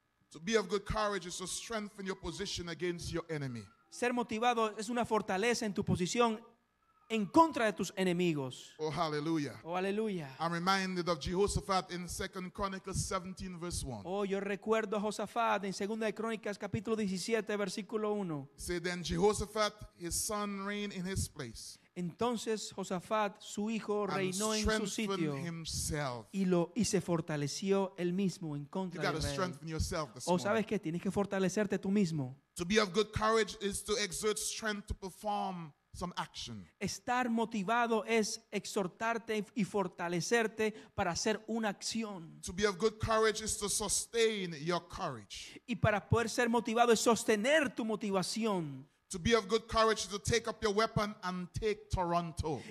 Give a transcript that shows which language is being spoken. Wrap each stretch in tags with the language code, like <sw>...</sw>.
<en>To be of good courage is to strengthen your position against your enemy.</en> <es>Ser motivado es una fortaleza en tu posición en contra de tus enemigos.</es> <en>Oh, hallelujah.</en> <es>Oh, hallelujah.</es> <en>I'm reminded of Jehoshaphat in 2 Chronicles 17, verse 1.</en> <es>Oh, yo recuerdo a Josafat en 2 de Crónicas, capítulo 17, versículo 1.</es> <en>Say, then Jehoshaphat, his son, reigned in his place.</en> <es>Entonces Josafat, su hijo, reinó en su sitio y se fortaleció él mismo en contra de Israel. O sabes qué, tienes que fortalecerte tú mismo.</es> <en>To be of good courage is to exert strength to perform some action.</en> <es>Estar motivado es exhortarte y fortalecerte para hacer una acción.</es> <en>To be of good courage is to sustain your courage.</en> <es>Y para poder ser motivado es sostener tu motivación.</es> <en>To be of good courage to take up your weapon and take Toronto.</en>